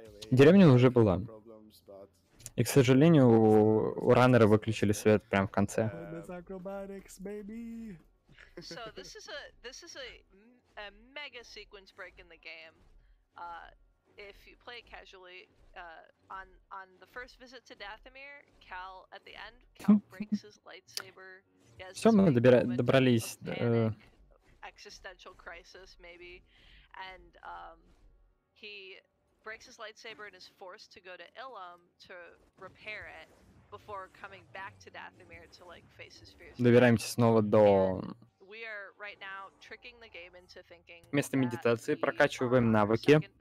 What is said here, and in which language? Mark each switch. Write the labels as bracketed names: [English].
[Russian] Деревня уже была. И, к сожалению, у раннера выключили свет прямо в конце. [English] So this is a mega sequence break in the game. If you play casually, on the first visit to Dathomir, Cal at the end, Cal breaks his lightsaber. [Russian] Все, мы добрались. [English] Existential crisis, maybe, and he breaks his lightsaber and is forced to go to Ilum to repair it before coming back to Dathomir to like face his fears. [Russian] Добираемся снова до. [English] We are right now tricking the game into thinking. [Russian] Вместо медитации прокачиваем навыки.